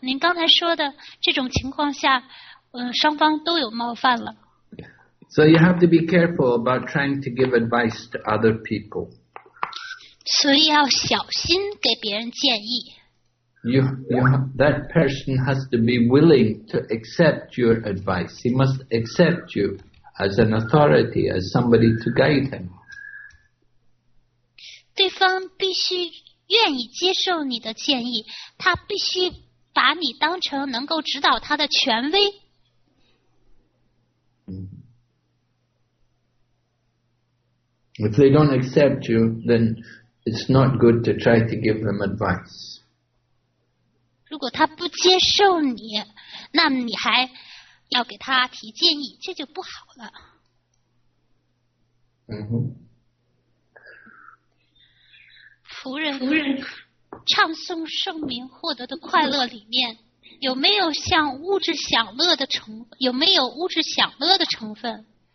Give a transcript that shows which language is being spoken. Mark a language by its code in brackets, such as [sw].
[zh] 您刚才说的这种情况下。双方都有冒犯了。 [en] So you have to be careful about trying to give advice to other people. [zh] 所以要小心给别人建议。 [en] That person has to be willing to accept your advice. He must accept you as an authority, as somebody to guide him. [zh] 对方必须愿意接受你的建议，他必须把你当成能够指导他的权威。 [en] If they don't accept you, then it's not good to try to give them advice. [zh] 如果他不接受你，那你还要给他提建议，这就不好了。仆人，唱诵圣名获得的快乐里面，有没有物质享乐的成分？